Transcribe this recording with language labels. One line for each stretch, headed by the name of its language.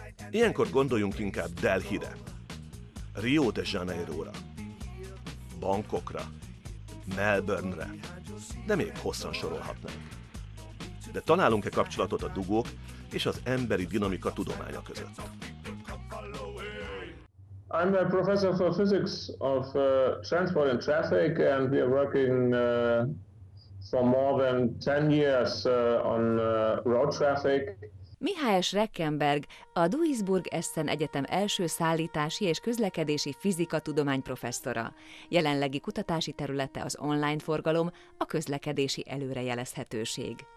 Hungarian: Ilyenkor gondoljunk inkább Delhi-re, Rio de Janeiro-ra, Bangkokra, Melbourne-re, de még hosszan sorolhatnánk. De találunk-e kapcsolatot a dugók és az emberi dinamika tudománya között?
English: I'm a professor for physics of transport and traffic, and we are working for more than 10 years on road traffic.
Hungarian: Mihály Schreckenberg, a Duisburg Essen Egyetem első szállítási és közlekedési fizika tudomány professzora. Jelenlegi kutatási területe az online forgalom, a közlekedési előrejelezhetőség.